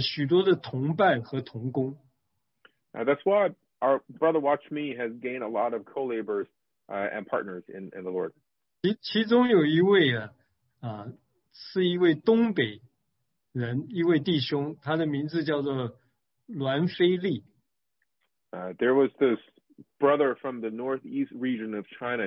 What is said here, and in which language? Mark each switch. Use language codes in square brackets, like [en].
[zh] 就此尼弟兄呢，得着了许多的同伴和同工。Now [en] that's why our brother Watch Me has gained a lot of co-laborers and partners in the Lord. [zh] 其中有一位啊，是一位东北。人一位弟兄，他的名字叫做栾飞利。 [en] There was this brother from the northeast region of China.